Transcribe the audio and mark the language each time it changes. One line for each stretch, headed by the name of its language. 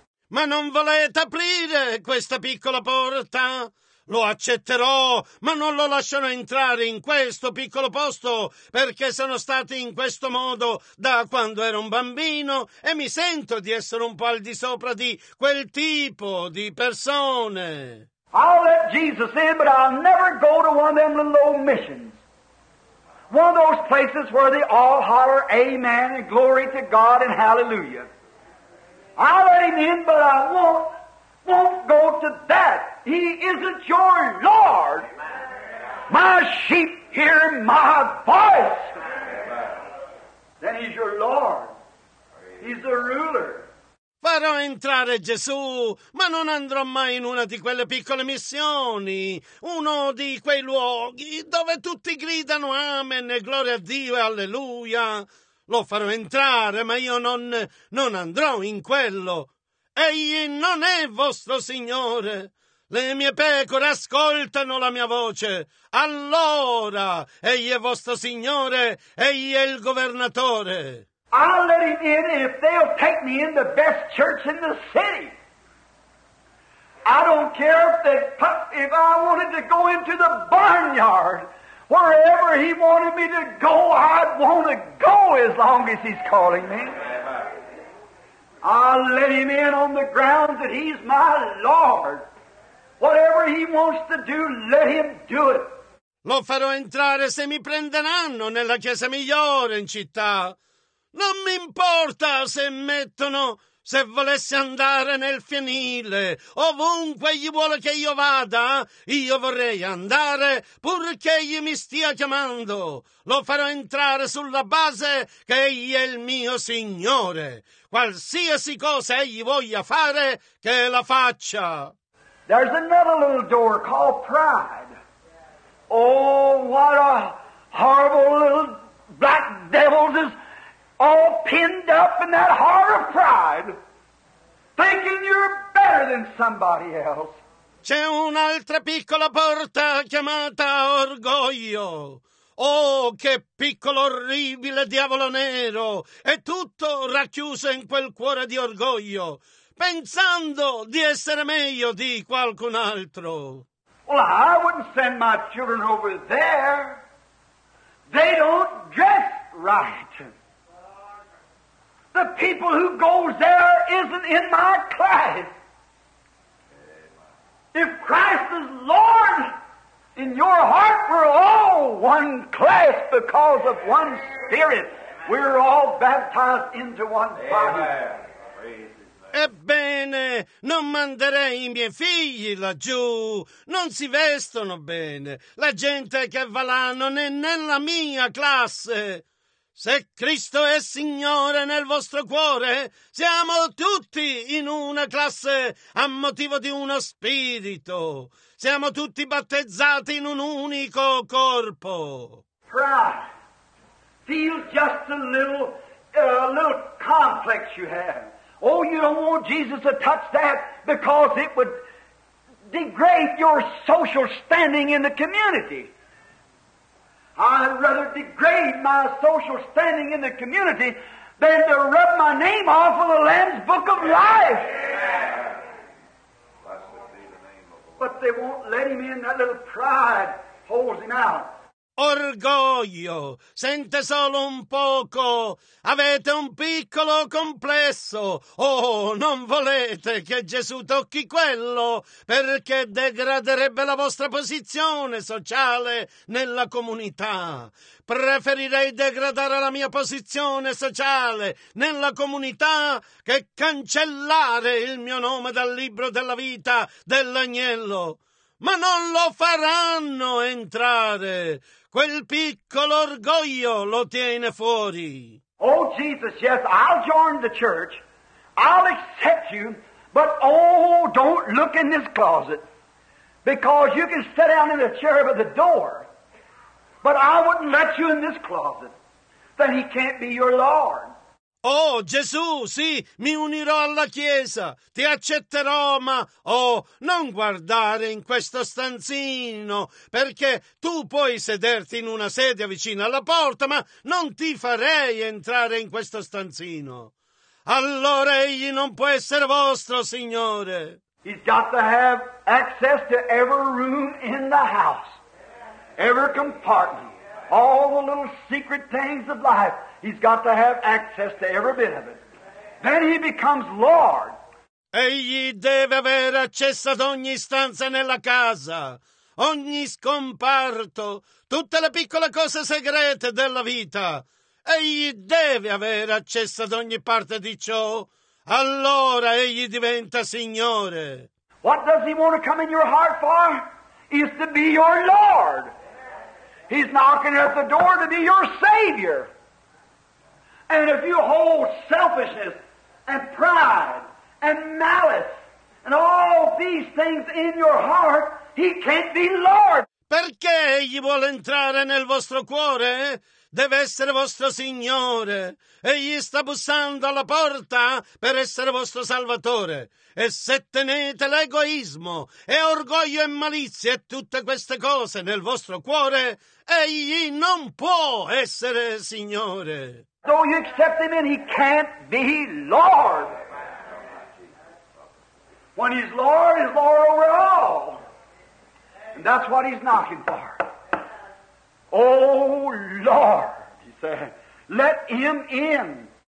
Italian: Ma non volete aprire questa piccola porta? Lo accetterò, ma non lo lascerò entrare in questo piccolo posto perché sono stato in questo modo da quando ero un bambino e mi sento di essere un po' al di sopra di quel tipo di persone.
English: I'll let Jesus in, but I'll never go to one of them little old missions. One of those places where they all holler, Amen, and glory to God, and hallelujah. I'll let him in, but I won't go to that. He isn't your Lord. My sheep hear my voice. Then he's your Lord. He's the ruler.
Italian: Farò entrare Gesù, ma non andrò mai in una di quelle piccole missioni, uno di quei luoghi dove tutti gridano Amen e gloria a Dio e Alleluia. lo farò entrare, ma io non andrò in quello. Egli non è vostro signore. Le mie pecore ascoltano la mia voce. Allora, egli è vostro signore, egli è il governatore.
English: I'll let him in if they'll take me in the best church in the city. I don't care if I wanted to go into the barnyard. Wherever he wanted me to go, I'd want to go as long as he's calling me. I'll let him in on the ground that he's my Lord. Whatever he wants to do, let him do it.
Italian: Lo farò entrare se mi prenderanno nella chiesa migliore in città. Non mi importa se volesse andare nel fienile. Ovunque egli vuole che io vada, io vorrei andare purché egli mi stia chiamando. Lo farò entrare sulla base che egli è il mio Signore. Qualsiasi cosa egli voglia fare, che la faccia.
English: There's another little door called pride. Oh, what a horrible little black devil is all pinned up in that heart of pride, thinking you're better than somebody else.
Italian: C'è un'altra piccola porta chiamata orgoglio. Oh, che piccolo orribile diavolo nero! È tutto racchiuso in quel cuore di orgoglio, pensando di essere meglio di qualcun altro.
English: Well, I wouldn't send my children over there. They don't dress right. The people who goes there isn't in my class. If Christ is Lord, in your heart we're all one class because of one Spirit. We're all baptized into one body. Amen.
Italian: Ebbene, non manderei i miei figli laggiù, non si vestono bene, la gente che va là non è nella mia classe. Se Cristo è Signore nel vostro cuore, siamo tutti in una classe a motivo di uno spirito, siamo tutti battezzati in un unico corpo.
English: Pride, feel just a little complex you have. Oh, you don't want Jesus to touch that because it would degrade your social standing in the community. I'd rather degrade my social standing in the community than to rub my name off of the Lamb's Book of Life. But they won't let him in. That little pride holds him out.
Italian: Orgoglio, sente solo un poco, avete un piccolo complesso, oh, non volete che Gesù tocchi quello perché degraderebbe la vostra posizione sociale nella comunità. Preferirei degradare la mia posizione sociale nella comunità che cancellare il mio nome dal libro della vita dell'agnello. Ma non lo faranno entrare. Quel piccolo orgoglio lo tiene fuori.
English: Oh, Jesus, yes, I'll join the church. I'll accept you, but oh, don't look in this closet. Because you can sit down in the chair by the door, but I wouldn't let you in this closet. Then he can't be your Lord.
Italian: Oh, Gesù, sì, mi unirò alla Chiesa, ti accetterò, ma, oh, non guardare in questo stanzino, perché tu puoi sederti in una sedia vicino alla porta, ma non ti farei entrare in questo stanzino. Allora egli non può essere vostro, Signore.
English: He's got to have access to every room in the house, every compartment, all the little secret things of life. He's got to have access to every bit of it. Then he becomes Lord.
Italian: Egli deve avere accesso ad ogni stanza nella casa, ogni scomparto, tutte le piccole cose segrete della vita. Egli deve avere accesso ad ogni parte di ciò. Allora egli diventa Signore.
English: What does he want to come in your heart for? Is to be your Lord. He's knocking at the door to be your Savior. And if you hold selfishness and pride and malice and all these things in your heart, he can't be Lord.
Italian: Perché egli vuole entrare nel vostro cuore? Deve essere vostro Signore. Egli sta bussando alla porta per essere vostro Salvatore. E se tenete l'egoismo e orgoglio e malizia e tutte queste cose nel vostro cuore, egli non può essere Signore.
English: So you accept him and he can't be Lord. When he's Lord over all. And that's what he's knocking for. Oh Lord, he said, let him in.